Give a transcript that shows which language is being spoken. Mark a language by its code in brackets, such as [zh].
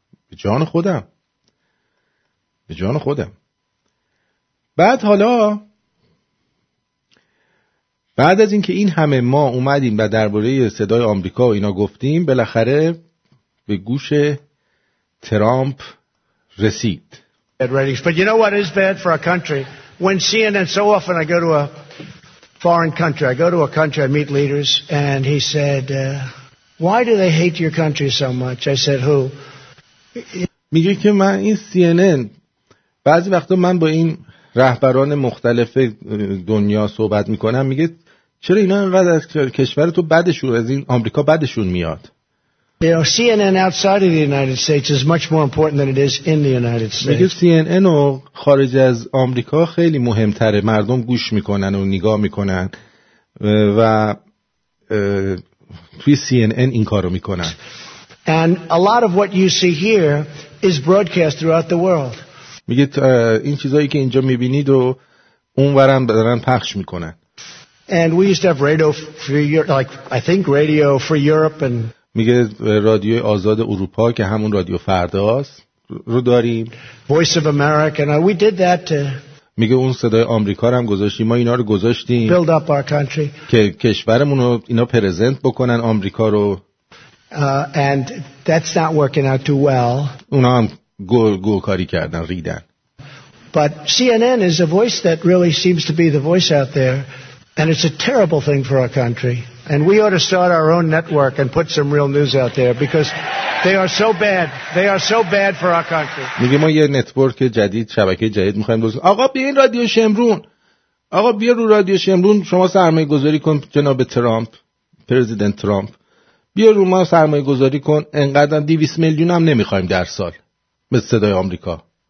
[fa] به جان خودم، به جان خودم. بعد حالا بعد از اینکه این همه ما اومدیم و درباره صدای آمریکا و اینا گفتیم، بالاخره به گوش ترامپ رسید. [en] But you know what is bad for our country? When CNN, so often I go to a foreign country, I go to a country, I meet leaders, and he said, why do they hate your country so much? I said, who? [fa] میگه که من این CNN، بعضی وقتا من با این رهبران مختلف دنیا صحبت میکنم، میگه چرا اینا انقدر از کشور تو بدشون، از این آمریکا بدشون میاد؟ [en] You know, CNN outside of the United States is much more important than it is in the United States. [fa] میگه CNN و خارج از آمریکا خیلی مهمتره، مردم گوش میکنن و نگاه میکنن و توی CNN این کارو میکنن. [en] And a lot of what you see here is broadcast throughout the world. [fa] میگه این چیزایی که اینجا میبینید رو اونورم دارن پخش میکنن. [en] And we used to have radio free, like I think radio free Europe and. [fa] میگه رادیو آزاد اروپا که همون رادیو فرداست رو داریم. [en] Voice of America and we did that. [fa] میگه اون صدای آمریکا رو هم گذاشتیم، ما اینا رو گذاشتیم. [en] Build up our country. [fa] که کشورمون رو اینا پرزنت بکنن آمریکا رو. [en] And that's not working out too well. [fa] اونا هم گو کاری کردن، ریدن. [en] But CNN is a voice that really seems to be the voice out there. And it's a terrible thing for our country. And we ought to start our own network and put some real news out there because they are so bad. They are so bad for our country. [fa] میگه ما یه نتورک جدید، شبکه جدید میخوایم بزنیم. آقا بیا این رادیو شمرون. آقا بیا رو رادیو شمرون شما سرمایه گذاری کن جناب ترامپ، پرزیدنت ترامپ. بیا رو ما سرمایه گذاری کن. انقدر 200 میلیون هم نمیخوایم در سال. مثل صدای آمریکا.